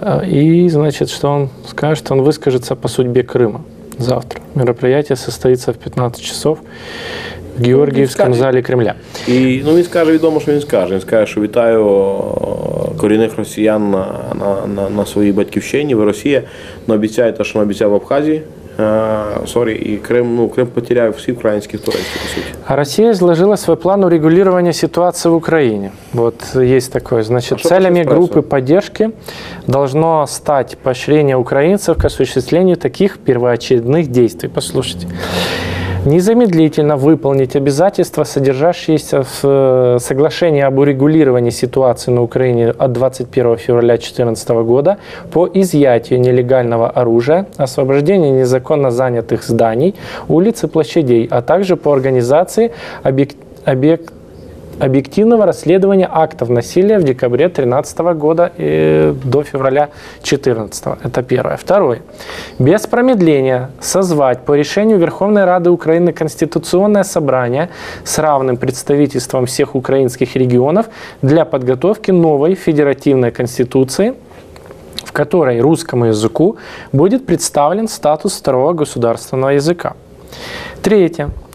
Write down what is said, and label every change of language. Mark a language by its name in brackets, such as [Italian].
[Ukrainian] І значить, що він скаже, що він вискажеться по судьбі Криму. Завтра. [Russian] Мероприятие состоится в 15 часов в Георгиевском зале Кремля. [Ukrainian] И, ну, він скаже, відомо, що він скаже. Він скаже, що вітаю корінних росіян на своїй батьківщині, в Росії, но обіцяю те, що він обіцяв в Абхазії. Сорі, і Крим, ну, Крим потеряє всі українські турецькі, по суті. А Росія зложила свій план урегулювання ситуації в Україні. От є таке. Значить, целями групи підтримки [Russian] должно стати поощрення [Ukrainian] українців к осуществленню таких первоочередних дій. Послухайте. [Russian] Незамедлительно выполнить обязательства, содержащиеся в соглашении об урегулировании ситуации на Украине от 21 февраля 2014 года по изъятию нелегального оружия, освобождению незаконно занятых зданий, улиц и площадей, а также по организации объект, объект, [Ukrainian] об'єктивного розслідування актів насилля в декабрі 2013 года і до февраля 2014. [Russian] Это первое. Второе. Без промедления созвать по решению Верховной Рады Украины конституционное собрание с равным представительством всех украинских регионов для подготовки новой федеративной конституции, в которой русскому языку будет представлен статус второго государственного языка. Третье.